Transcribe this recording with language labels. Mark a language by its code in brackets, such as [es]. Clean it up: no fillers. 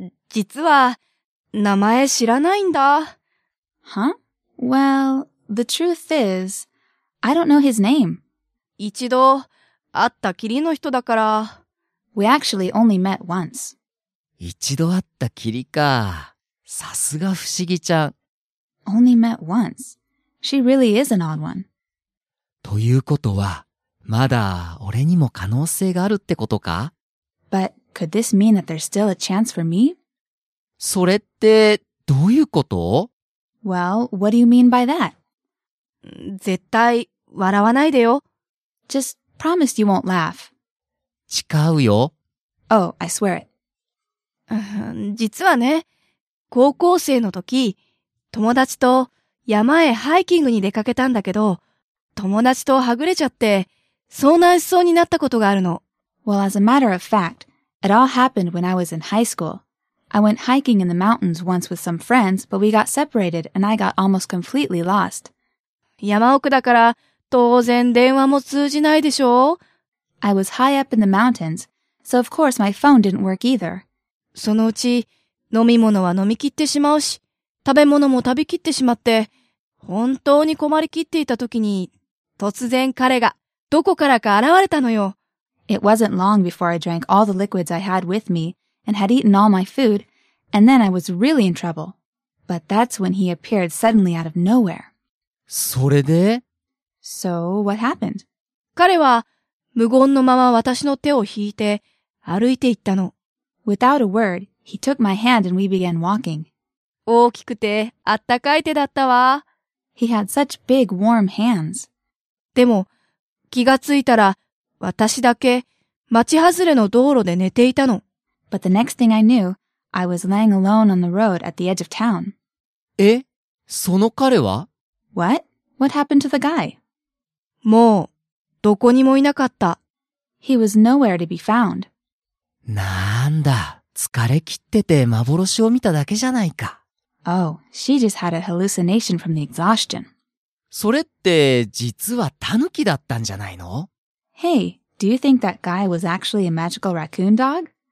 [ja] 実は名前知らないんだ。 [en] Huh? Well, the truth is, I don't know his name. [ja] 一度会ったきりの人だから。 [en] We actually only met once. [ja] 一度会ったきりか。さすが不思議ちゃん。 [en] Only met once. She really is an odd one. [ja] ということはまだ俺にも可能性があるってことか？ [en] ButCould this mean that there's still a chance for me? [ja] それってどういうこと？ [en] Well, what do you mean by that? [ja] 絶対笑わないでよ。 [en] Just promise you won't laugh. [ja] 誓うよ。 [en] Oh, I swear it. [ja] 実はね、高校生の時友達と山へハイキングに出かけたんだけど、友達とはぐれちゃって遭難しそうになったことがあるの。 [en] Well, as a matter of fact,It all happened when I was in high school. I went hiking in the mountains once with some friends, but we got separated and I got almost completely lost. [ja] 山奥だから当然電話も通じないでしょう? [en] I was high up in the mountains, so of course my phone didn't work either. [ja] そのうち飲み物は飲み切ってしまうし、食べ物も食べきってしまって、本当に困りきっていた時に、突然彼がどこからか現れたのよ。 [en] It wasn't long before I drank all the liquids I had with me and had eaten all my food, and then I was really in trouble. But that's when he appeared suddenly out of nowhere. [ja] それで? [en] So, what happened? [ja] 彼は無言のまま私の手を引いて歩いていったの。 [en] Without a word, he took my hand and we began walking. [ja] 大きくてあったかい手だったわ。 [en] He had such big warm hands. [ja] でも、気がついたら私だけ町外れの道路で寝ていたの。 [en] But the next thing I knew, I was laying alone on the road at the edge of town. [ja] え?その彼は? [en] What? What happened to the guy? [ja] もう、どこにもいなかった。 [en] He was nowhere to be found. [ja] なんだ、疲れ切ってて幻を見ただけじゃないか。 [en] Oh, she just had a hallucination from the exhaustion. [ja] それって、実はタヌキだったんじゃないの? [en] Hey, do you think that guy was actually a magical raccoon dog?